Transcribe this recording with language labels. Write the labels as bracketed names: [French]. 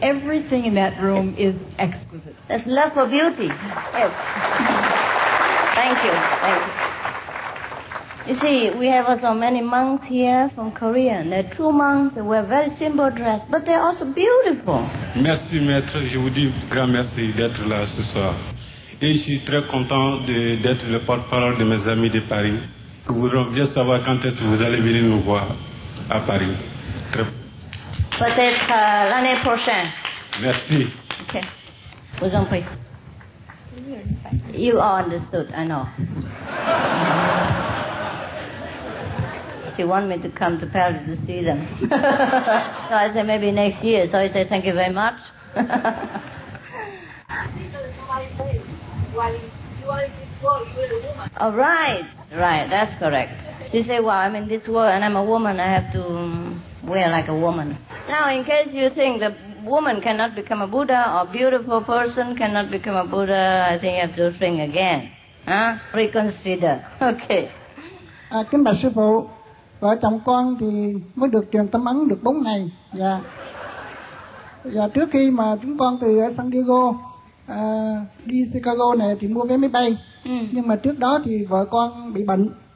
[English] Everything in that room is exquisite. That's love for beauty. Yes. Thank you. Thank you. You see, we have so many monks here from Korea, and they're true monks, they wear very simple dress, but they're also beautiful. [French] Merci, maître. Je vous dis grand merci d'être là ce soir. Et je suis très content d'être le porte-parole de mes amis de Paris. Que vous voudrez bien savoir quand est-ce que vous allez venir nous voir à Paris. Peut-être l'année prochaine. Merci. Ok. Vous en prie. [English] You all understood, I know. Want me to come to Paris to see them. So I said, maybe next year. So I said, thank you very much. Oh, right, that's correct. She said, well, I'm in this world and I'm a woman, I have to wear like a woman. Now, in case you think that woman cannot become a Buddha or beautiful person cannot become a Buddha, I think you have to think again. Huh? Reconsider. Okay. [Vietnamese] Kính bạch sư phụ, vợ chồng con thì mới được truyền tâm ấn được 4 ngày. Và trước khi mà chúng con từ San Diego đi Chicago này thì mua vé máy bay. Nhưng mà trước đó thì vợ con bị bệnh.